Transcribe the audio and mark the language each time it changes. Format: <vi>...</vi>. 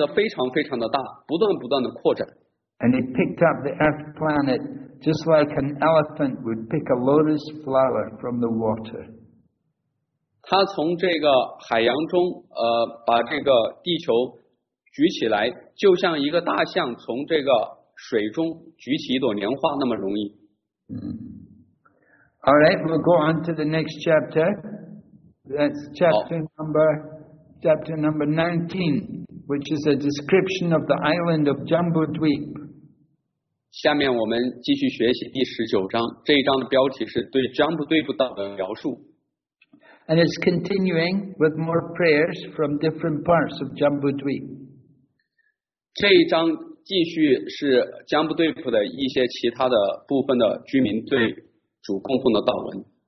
<zh>但是他从他的鼻子中出来之后，变得非常非常的大，不断不断的扩展。</zh> <en>And he picked up the earth planet just like an elephant would pick a lotus flower from the water.</en> <zh>他从这个海洋中，把这个地球举起来，就像一个大象从这个水中举起一朵莲花那么容易。</zh> <en>All right, we'll go on to the next chapter. That's chapter number 19, which is a description of the island of Jambudweep.</en> <zh>下面我们继续学习第十九章，这一章的标题是对 Jambudweep 岛的描述。</zh> <en>And it's continuing with more prayers from different parts of Jambudweep.</en> <zh>这一章继续是江布队部的一些其他的部分的居民对主供奉的祷文。</zh>